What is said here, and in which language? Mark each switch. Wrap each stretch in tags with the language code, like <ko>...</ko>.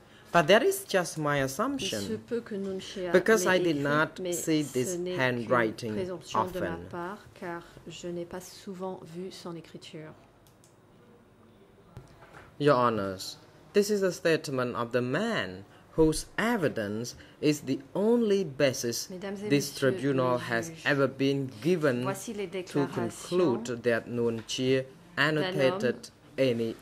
<en>But that is just my assumption, because I did not see this handwriting often.</en> <fr>Part, car je n'ai pas souvent vu son écriture.</fr> <en>Your Honours, this is a statement of the man whose evidence is the only basis this tribunal has ever been given to conclude that Nguyen Chi annotated any</en>